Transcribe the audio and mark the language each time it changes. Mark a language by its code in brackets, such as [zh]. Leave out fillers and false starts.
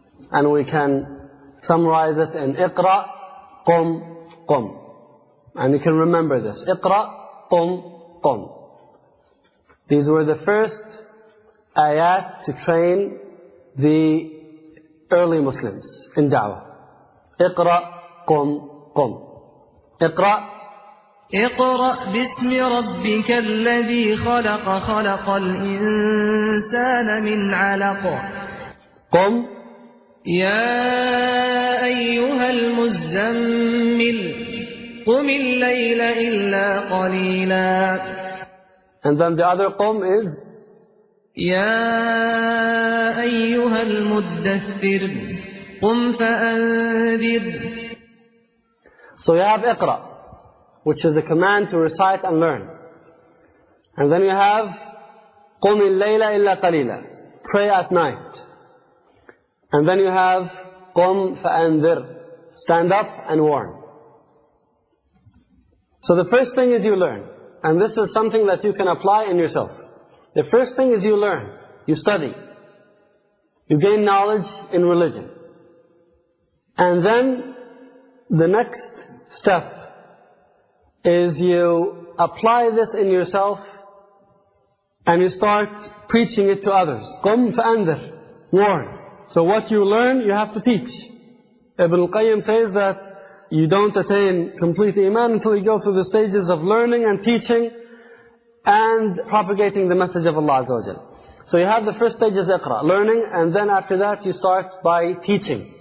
[en] And we can summarize it in [ar] iqra, qum, qum. [en] And you can remember this. [ar] Iqra, qum, qum. [en] These were the first ayat to train the early Muslims in da'wah. [ar] Iqra, qum, qum. Iqra, اقرأ باسم ربك الذي خلق خلق الإنسان من علق قم يا أيها المزمل قم الليل إلا قليلا. [en] And then the other قم is [ar] يا أيها المدثر قم فأنذر. [en] So you have اقرأ, which is a command to recite and learn. And then you have [ar] قُمْ اللَّيْلَ إِلَّا قَلِيلًا, [en] pray at night. And then you have [ar] قُمْ فَأَنذِرْ, [en] stand up and warn. So the first thing is you learn. And this is something that you can apply in yourself. The first thing is you learn. You study. You gain knowledge in religion. And then the next step is you apply this in yourself and you start preaching it to others. [ar] قُمْ فَأَنذِرْ, warn. [en] So what you learn, you have to teach. Ibn al-Qayyim says that you don't attain complete iman until you go through the stages of learning and teaching and propagating the message of Allah Azza wa Jalla. So you have the first stage is iqra, learning, and then after that you start by teaching.